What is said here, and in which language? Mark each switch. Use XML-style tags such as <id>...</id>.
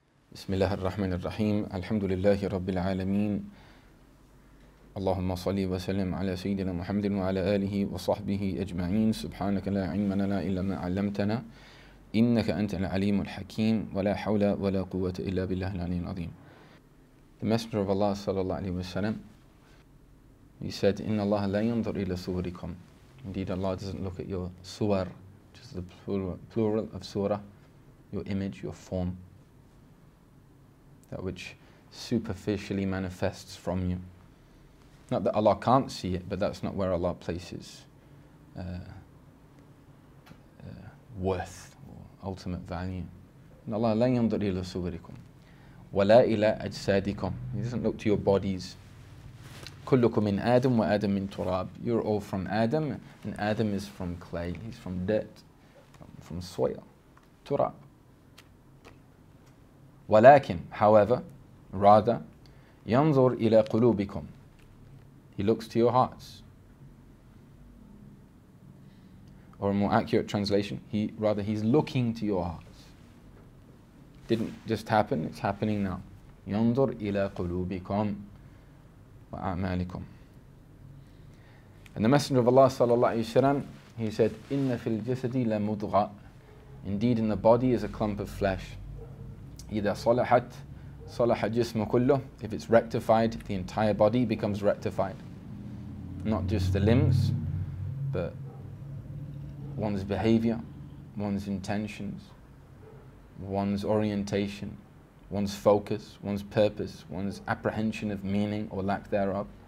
<ar>بسم الله الرحمن الرحيم الحمد لله رب العالمين اللهم صل وسلم على سيدنا محمد وعلى آله وصحبه أجمعين سبحانك لا علم لنا إلا ما علمتنا إنك أنت العليم الحكيم ولا حول ولا قوة إلا بالله العلي العظيم.</ar> <en>The Messenger of Allah صلى الله عليه وسلم, he said,</en> <ar>إن الله لا ينظر إلى صوركم.</ar> <en>Indeed, Allah doesn't look at your suwar, which is the plural of surah, your image, your form, that which superficially manifests from you. Not that Allah can't see it, but that's not where Allah places worth or ultimate value.</en> <ar>إن الله لا ينظر إلى صوركم ولا إلى أجسادكم.</ar> <en>He doesn't look to your bodies.</en> <ar>كلكم من آدم وآدم من تراب.</ar> <en>You're all from Adam, and Adam is from clay. He's from dirt, from soil, تراب.</en> <ar>ولكن,</ar> <en>however, rather,</en> <ar>ينظر إلى قلوبكم.</ar> <en>He looks to your hearts. Or a more accurate translation, he's looking to your hearts. Didn't just happen, it's happening now.</en> <ar>ينظر إلى قلوبكم وأعمالكم.</ar> <en>And the Messenger of Allah صلى الله عليه وسلم, he said,</en> <ar>إن في الجسد لمضغة.</ar> <en>Indeed, in the body is a clump of flesh.</en> <ar>إذا صلحت صلح الجسم كله.</ar> <en>If it's rectified, the entire body becomes rectified. Not just the limbs, but one's behavior, one's intentions, one's orientation, one's focus, one's purpose, one's apprehension of meaning or lack thereof.</en>